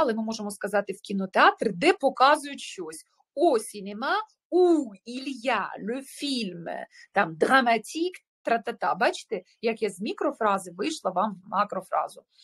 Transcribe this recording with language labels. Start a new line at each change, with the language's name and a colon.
Ukrainian: Але ми можемо сказати в кінотеатр, де показують щось.
French: Au cinéma, où il y a le film.
Ukrainian: Там dramatique. Тра-та-та. Бачите, як я з мікрофрази вийшла вам в макрофразу.